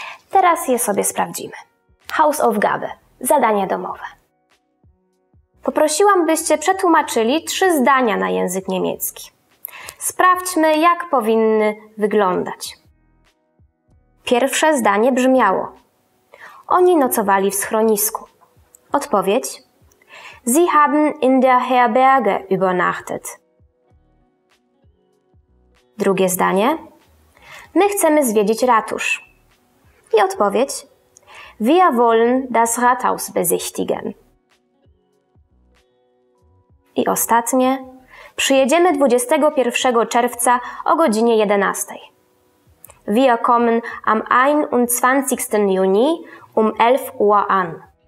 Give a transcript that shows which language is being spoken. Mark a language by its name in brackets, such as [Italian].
[Polish] Teraz je sobie sprawdzimy. Hausaufgabe, zadanie domowe. Poprosiłam, byście przetłumaczyli trzy zdania na język niemiecki. Sprawdźmy, jak powinny wyglądać. Pierwsze zdanie brzmiało: oni nocowali w schronisku. [German] Odpowiedź: Sie haben in der Herberge übernachtet. [Polish] Drugie zdanie: my chcemy zwiedzić ratusz. [German] I odpowiedź: Wir wollen das Rathaus besichtigen. [Polish] I ostatnie: przyjedziemy 21 czerwca o godzinie 11. [German] Wir kommen am 21. Juni um 11 Uhr an.